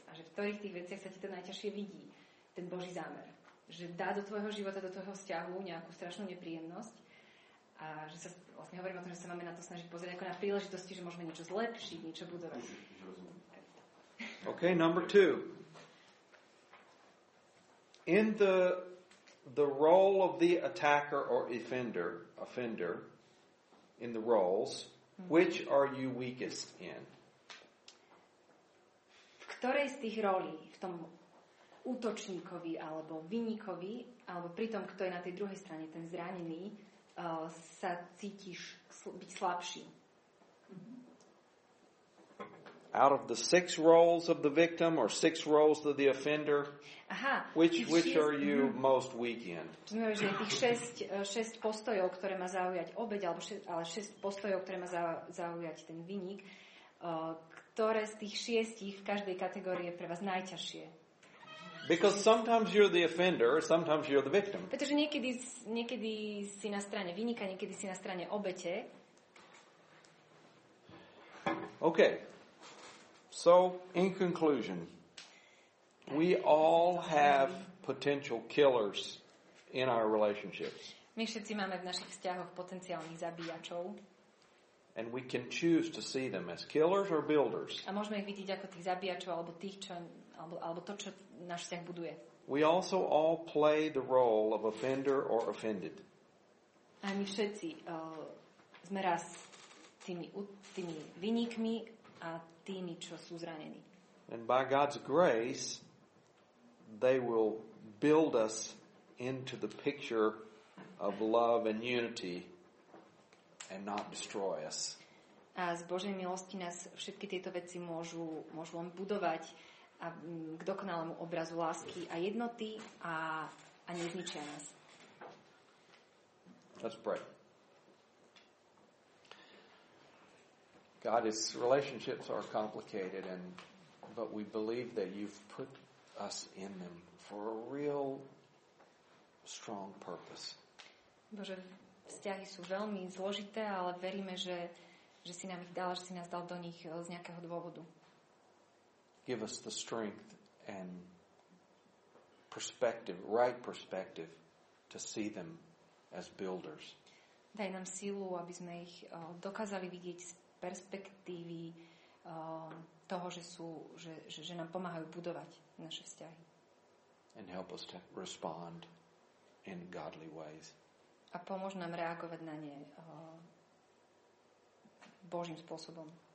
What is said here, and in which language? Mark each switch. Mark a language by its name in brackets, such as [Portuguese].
[Slovak] A že v ktorých tých veciach sa ti to najťažšie vidí, ten Boží zámer. Že dá do tvojho života, do tvojho vzťahu nejakú strašnú nepríjemnosť, a že sa vlastne hovorím o tom, že sa máme na to snažiť pozrieť ako na príležitosti, že môžeme niečo zlepšiť, niečo budovať. [English] OK, number two. In the role of the attacker or offender, in the roles, which are you weakest in? [Slovak] V ktorej z tých rolí, v tom útočníkovi, alebo vinníkovi, alebo pri tom, kto je na tej druhej strane, ten zranený, sa cítiš byť slabší. [English] Out of the 6 roles of the victim or 6 roles of the offender, which are you most weak in? [Slovak] Znamená, že tých 6 postojov, ktoré má zaujať obeť, alebo 6 postojov, ktoré má zaujať ten vinník, ktoré z tých 6 v každej kategórii je pre vás najťažšie? [English] Because sometimes you're the offender, sometimes you're the victim. [Slovak] Pretože niekedy si na strane vinníka, niekedy si na strane obete. [English] Okay. So, in conclusion, we all have potential killers in our relationships. [Slovak] My všetci máme v našich vzťahoch potenciálnych zabíjačov. [English] And we can choose to see them as killers or builders. [Slovak] A môžeme ich vidieť ako tých zabíjačov alebo tých, čo alebo to, čo náš vzťah buduje. [English] We also all play the role of offender or offended. [Slovak] A my všetci sme raz tými vinníkmi a tými, čo sú zranení. [English] And by God's grace, they will build us into the picture of love and unity and not destroy us. [Slovak] A z Božej milosti nás všetky tieto veci môžu len budovať a k dokonalému obrazu lásky a jednoty a nezničia nás. [English] Let's pray. God, His relationships are complicated, but we believe that You've put us in them for a real strong purpose. [Slovak] Bože, vzťahy sú veľmi zložité, ale veríme, že si nám ich dal, že si nás dal do nich z nejakého dôvodu. [English] Give us the strength and perspective, right perspective, to see them as builders. [Slovak] Daj nám silu, aby sme ich dokázali vidieť z perspektívy toho, že nám pomáhajú budovať naše vzťahy. [English] And help us to respond in godly ways. [Slovak] A pomôž nám reagovať na ne Božím spôsobom.